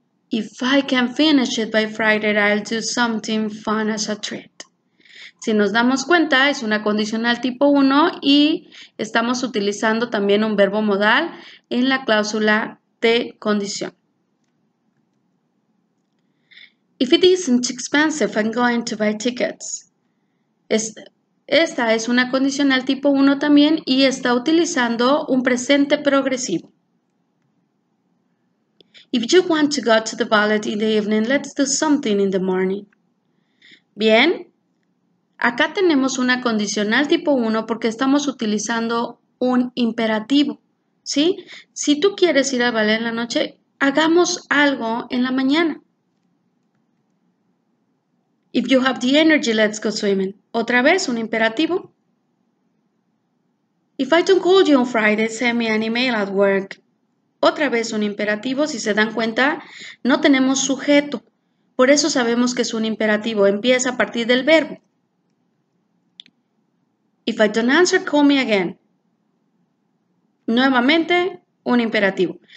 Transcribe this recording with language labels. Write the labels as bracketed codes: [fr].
[en] If I can finish it by Friday, I'll do something fun as a treat. [es] Si nos damos cuenta, es una condicional tipo 1 y estamos utilizando también un verbo modal en la cláusula de condición. [en] If it isn't too expensive, I'm going to buy tickets. [es] Esta es una condicional tipo 1 también y está utilizando un presente progresivo. [en] If you want to go to the ballet in the evening, let's do something in the morning. [es] Bien, acá tenemos una condicional tipo 1 porque estamos utilizando un imperativo, ¿sí? Si tú quieres ir al ballet en la noche, hagamos algo en la mañana. [en] If you have the energy, let's go swimming. [es] Otra vez, un imperativo. [en] If I don't call you on Friday, send me an email at work. [es] Otra vez un imperativo, si se dan cuenta, no tenemos sujeto. Por eso sabemos que es un imperativo, empieza a partir del verbo. [en] If I don't answer, call me again. [es] Nuevamente, un imperativo.